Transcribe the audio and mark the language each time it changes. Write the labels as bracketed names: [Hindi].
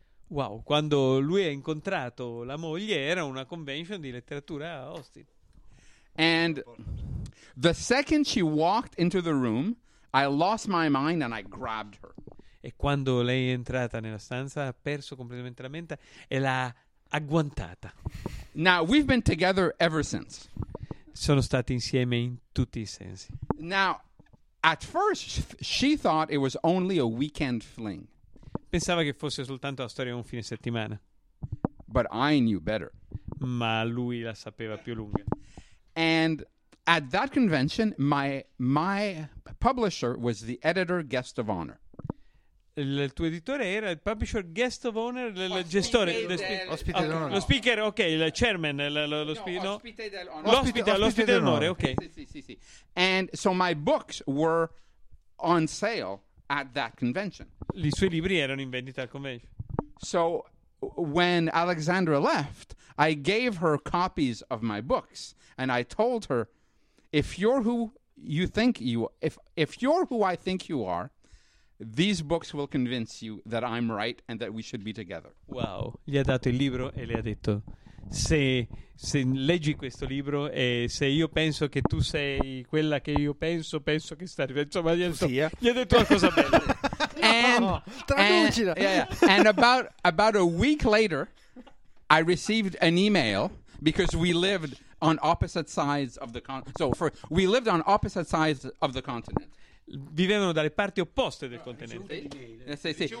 [Italian] Wow, quando lui ha incontrato la moglie era una convention di letteratura a Austin. [English] And the second she walked into the room, I lost my mind and I grabbed her. [Italian] E quando lei è entrata nella stanza ha perso completamente la mente e l'ha agguantata. [English] Now we've been together ever since. [Italian] Sono stati insieme in tutti i sensi. [English] Now, at first she thought it was only a weekend fling. [Italian] Pensava che fosse soltanto la storia di un fine settimana. [English] But I knew better. [Italian] Ma lui la sapeva più lunga. [English] And at that convention, my publisher was the editor guest of honor. [Italian] Il tuo editore era il publisher guest of honor, il gestore, lo speaker, ok, il chairman, l'ospite d'onore, ok. Sì. [English] And so my books were on sale at that convention. [Italian] I suoi libri erano in vendita al convention. [English] So when Alexandra left, I gave her copies of my books and I told her, if you're who I think you are, these books will convince you that I'm right and that we should be together. [Italian] Wow, gli ha dato il libro e le ha detto: se leggi questo libro e se io penso che tu sei quella che io penso che stai, insomma, gli ha detto una cosa bella. [English] And [Italian] traducila. [English] And about a week later I received an email because we lived on opposite sides of the continent. We lived on opposite sides of the continent. [Italian] Vivevano dalle parti opposte del continente. Sì.